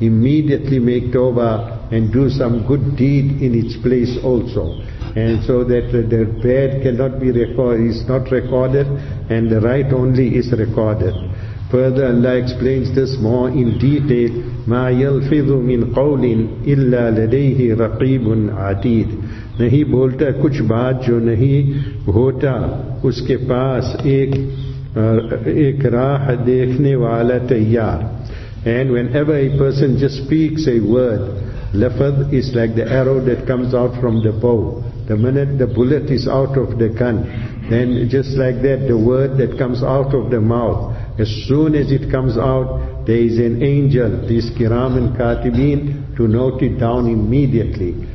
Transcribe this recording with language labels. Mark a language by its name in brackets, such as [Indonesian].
[English] Immediately make tawbah and do some good deed in its place also. And so that the bad cannot be recorded, is not recorded, and the right only is recorded. Further, Allah explains this more in detail. [Arabic] مَا يَلْفِظُ مِنْ قَوْلٍ إِلَّا لَدَيْهِ رَقِيبٌ عَتِيدٌ. [Urdu] نہیں بولتا کچھ بات جو نہیں ہوتا اس کے پاس ایک راہ دیکھنے والا تیار. [English] And whenever a person just speaks a word, lafad is like the arrow that comes out from the bow. The minute the bullet is out of the gun, then just like that, the word that comes out of the mouth, as soon as it comes out, there is an angel, this kiram and katibin, to note it down immediately.